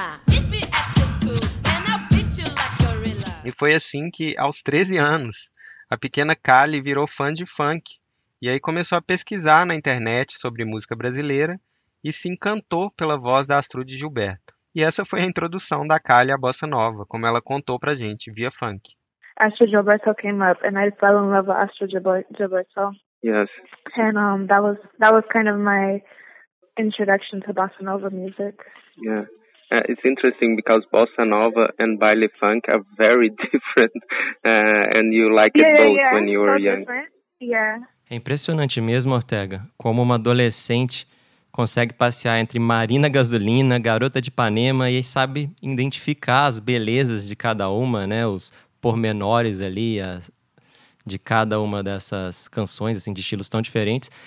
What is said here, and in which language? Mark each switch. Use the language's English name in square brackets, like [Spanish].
[English] Hit me at the school and I'll beat you like gorilla. [Portuguese] E foi assim que, aos 13 anos, a pequena Kali virou fã de funk. E aí começou a pesquisar na internet sobre música brasileira e se encantou pela voz da Astrud Gilberto. E essa foi a introdução da Kali à bossa nova, como ela contou pra gente via funk. [English] Astrud Gilberto came up and I fell in love with Astrud Gilberto. Yes. And that was kind of my introduction to bossa nova music. Yeah. It's interesting because bossa nova and baile funk are very different and you like it both when you were so young. Different. Yeah. [Portuguese] É impressionante mesmo, Ortega, como uma adolescente consegue passear entre Marina Gasolina, Garota de Ipanema e sabe identificar as belezas de cada uma, né? Os pormenores ali de cada uma dessas canções, assim, de estilos tão diferentes.